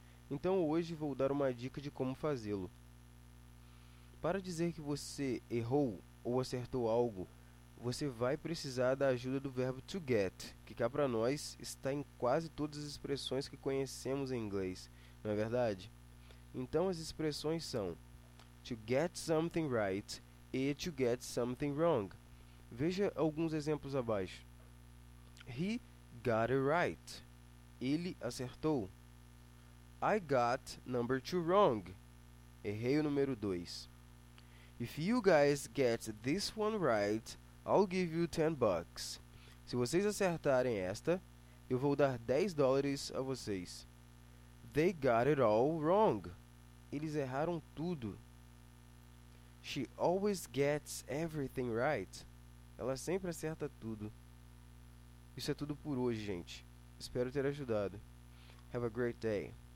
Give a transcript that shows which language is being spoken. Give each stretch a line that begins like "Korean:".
Portuguese: Então hoje vou dar uma dica de como fazê-lo. Para dizer que você errou ou acertou algo, você vai precisar da ajuda do verbo to get, que cá para nós está em quase todas as expressões que conhecemos em inglês, não é verdade? Então as expressões são
English: to get something right
Portuguese: e
English: to get something wrong.
Portuguese: Veja alguns exemplos abaixo.
English: He got it right.
Portuguese: Ele acertou.
English: I got number two wrong.
Portuguese: Errei o número 2.
English: If you guys get this one right, I'll give you 10 bucks.
Portuguese: Se vocês acertarem esta, eu vou dar 10 dólares a vocês.
English: They got it all wrong.
Portuguese: Eles erraram tudo.
English: She always gets everything right.
Portuguese: Ela sempre acerta tudo. Isso é tudo por hoje, gente. Espero ter ajudado.
English: Have a great day.